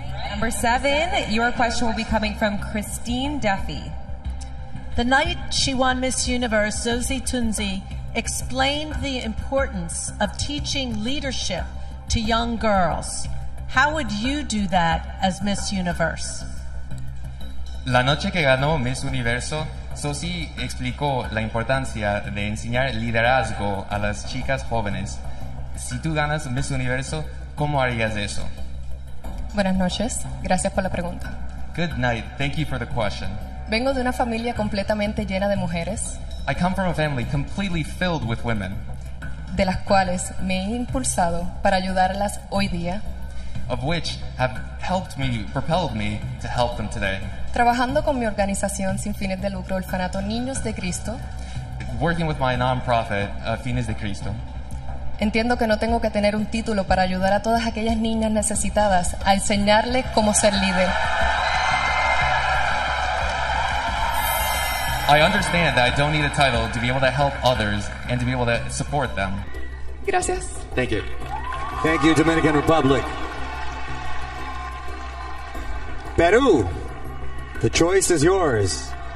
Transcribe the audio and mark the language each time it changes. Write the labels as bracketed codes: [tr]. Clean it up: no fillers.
[en] Number seven, your question will be coming from Christine Duffy. The night she won Miss Universe, Zosie Tunzi explained the importance of teaching leadership to young girls. How would you do that as Miss Universe? [es] La noche que ganó Miss Universo, Zosie explicó la importancia de enseñar liderazgo a las chicas jóvenes. Si tú ganas Miss Universo, ¿cómo harías eso? Buenas noches. Gracias por la pregunta. [en] Good night. Thank you for the question. [es] Vengo de una familia completamente llena de mujeres. [en] I come from a family completely filled with women. [es] De las cuales me he impulsado para ayudarlas hoy día. [en] Of which have helped me, propelled me to help them today. [es] Trabajando con mi organización sin fines de lucro, Orfanato Niños de Cristo. [en] Working with my non-profit, Fines de Cristo. [es] Entiendo que no tengo que tener un título para ayudar a todas aquellas niñas necesitadas a enseñarles cómo ser líder. [en] I understand that I don't need a title to be able to help others and to be able to support them. [es] Gracias. [en] Thank you. Thank you, Dominican Republic. Peru, the choice is yours.